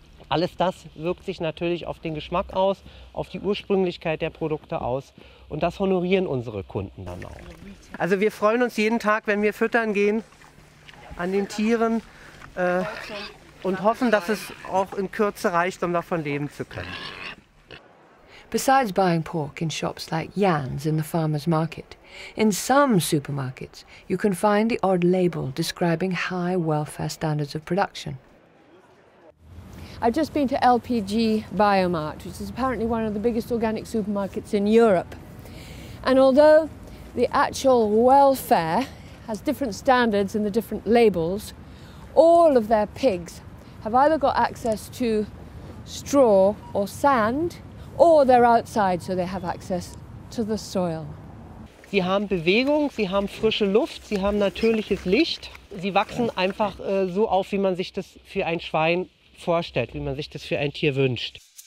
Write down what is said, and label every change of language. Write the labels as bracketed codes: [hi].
[de] Alles das wirkt sich natürlich auf den Geschmack aus, auf die Ursprünglichkeit der Produkte aus und das honorieren unsere Kunden dann auch. Also wir freuen uns jeden Tag, wenn wir füttern gehen an den Tieren und hoffen, dass es auch in Kürze reicht, um davon leben zu können. [en] Besides buying pork in shops like Jan's in the farmer's market, in some supermarkets you can find the odd label describing high welfare standards of production. I've just been to LPG Biomart, which is apparently one of the biggest organic supermarkets in Europe. And although the actual welfare has different standards in the different labels, all of their pigs have either got access to straw or sand, or they're outside, so they have access to the soil. [de] Sie haben Bewegung, sie haben frische Luft, sie haben natürliches Licht. Sie wachsen einfach so auf, wie man sich das für ein Schwein vorstellt, wie man sich das für ein Tier wünscht.